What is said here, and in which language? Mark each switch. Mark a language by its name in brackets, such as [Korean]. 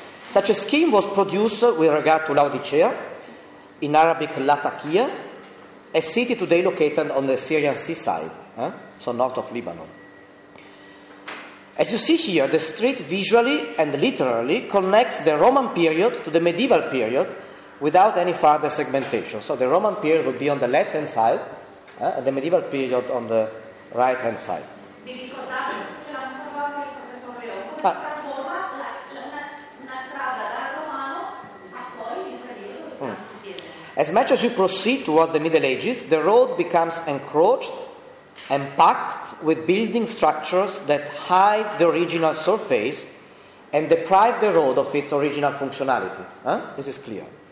[English] Such a scheme was produced with regard to Laodicea, in Arabic Latakia, a city today located on the Syrian seaside, so north of Lebanon. As you see here, the street visually and literally connects the Roman period to the medieval period without any further segmentation. So the Roman period would be on the left hand side, and the medieval period on the right hand side. [Italian] Vi ricordate la nostra parte, professor Leo, come si trasforma una strada da romano a poi il periodo? [English] As much as you proceed towards the Middle Ages, the road becomes encroached and packed with building structures that hide the original surface and deprive the road of its original functionality. This is clear.